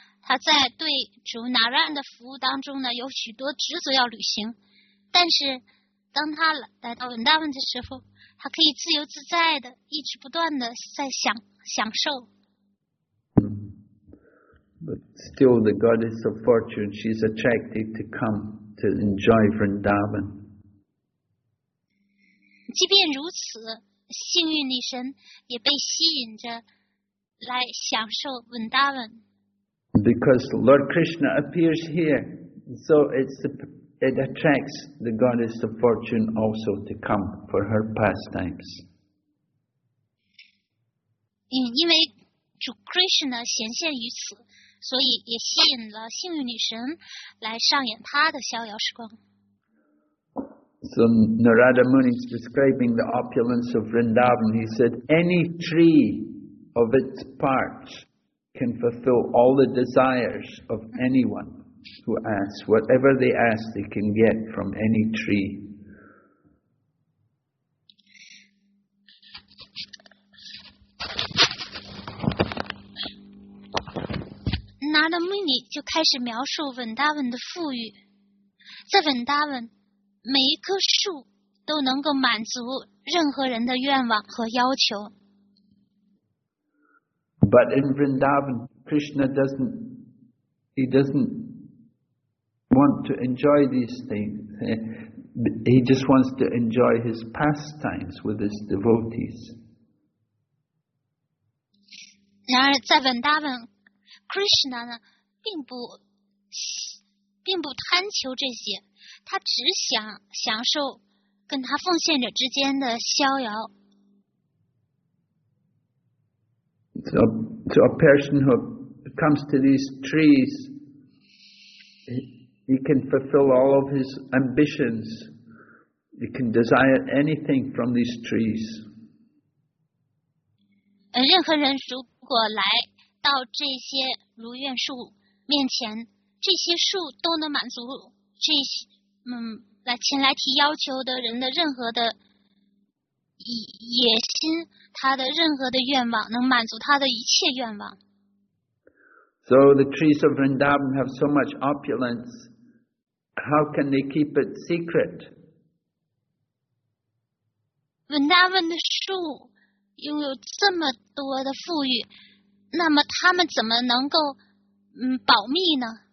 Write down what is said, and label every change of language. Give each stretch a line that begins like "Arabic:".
Chinese: 他在对主拿兰的服务当中呢，有许多职责要履行。但是，当他来到文大文的时候，他可以自由自在的，一直不断的在享受。
English: But still, the goddess of fortune, she's attracted to come to enjoy Vrindavan.
Chinese: 即便如此，幸运女神也被吸引着来享受文大文。
English: Because Lord Krishna appears here, so it attracts the goddess of fortune also to come for her pastimes.
Chinese: 因为主 Krishna 显现于此，所以也吸引了幸运女神来上演她的逍遥时光。
English: So Narada Muni is describing the opulence of Vrindavan. He said, any tree of its parts can fulfill all the desires of anyone who asks. Whatever they ask, they can get from any tree.
Chinese: 拿达穆尼就开始描述文达文的富裕。在文达文，每一棵树都能够满足任何人的愿望和要求。
English: But in Vrindavan, Krishna doesn't want to enjoy these things. He just wants to enjoy his pastimes with his devotees.
Chinese: 然而在文达文，Krishna 呢，并不贪求这些，他只想享受跟他奉献者之间的逍遥。
English: So a person who comes to these trees, he can fulfill all of his ambitions. He can desire anything from these trees.
Chinese: 任何人如果来到这些如愿树面前，这些树都能满足这些来前来提要求的人的任何的野心，他的任何的愿望，能满足他的一切愿望。
English: So the trees of Vrindavan have so much opulence, how can they keep it secret?
Chinese: Vrindavan 的树拥有这么多的富裕，那么他们怎么能够保密呢？